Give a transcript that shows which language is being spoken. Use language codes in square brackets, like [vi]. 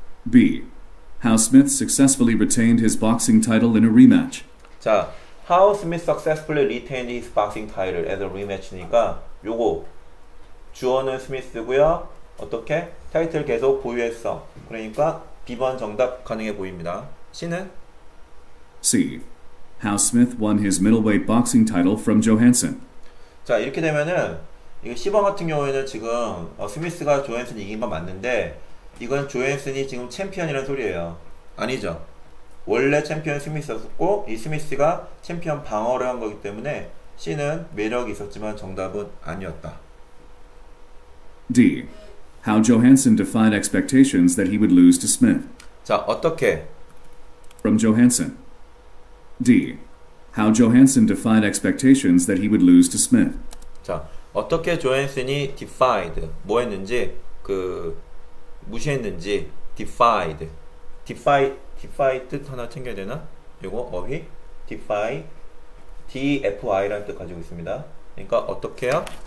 [en] B. How Smith successfully retained his boxing title in a rematch. [ko] 자, [en] How Smith successfully retained his boxing title as a rematch [ko] 니까 요거 주어는 스미스고요. 어떻게? 타이틀 계속 보유했어. 그러니까 B번 정답 가능해 보입니다. C는? [en] C. How Smith won his middleweight boxing title from Johansson. [ko] 자, 이렇게 되면은 이거 10번 같은 경우에는 지금 스미스가 조헨슨 이긴 건 맞는데 이건 조헨슨이 지금 챔피언이라는 소리예요. 아니죠. 원래 챔피언 스미스였고 이 스미스가 챔피언 방어를 한 거기 때문에 C는 매력이 있었지만 정답은 아니었다. [en] D. How Johansson defied expectations that he would lose to Smith. [ko] 자, 어떻게? [en] From Johansson. D. How Johansson defied expectations that he would lose to Smith. [ko] 자, 어떻게 조헨슨이 defied 뭐 했는지 그 무시했는지 defied. defied 하나 챙겨야 되나? 이거 어휘 defy DFY라는 뜻 가지고 있습니다. 그러니까 어떻게요?